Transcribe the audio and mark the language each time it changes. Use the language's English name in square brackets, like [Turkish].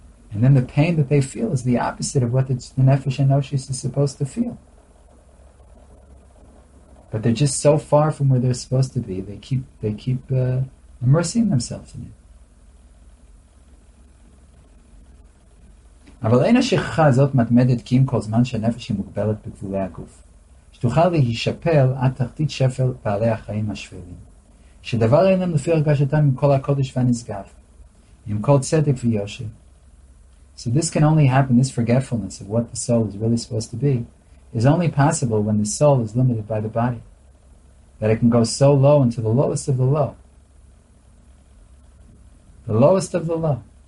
[English] And then the pain that they feel is the opposite of what the Nefesh HaNoshis is supposed to feel. But they're just so far from where they're supposed to be, they keep immersing themselves in it. [Hebrew] אבל אין השכחה הזאת מתמדת כי אם כל זמן שהנפש היא מוגבלת בגבולי הגוף, שתוכל להישפל עד תחתית שפל בעלי החיים השפלים, שדבר אינם לפי הרגשתם עם כל הקודש והנשגב, עם כל צדק ויושב. [English] So this can only happen, this forgetfulness of what the soul is really supposed to be, is only possible when the soul is limited by the body, that it can go so low into the lowest of the low. The lowest of the low.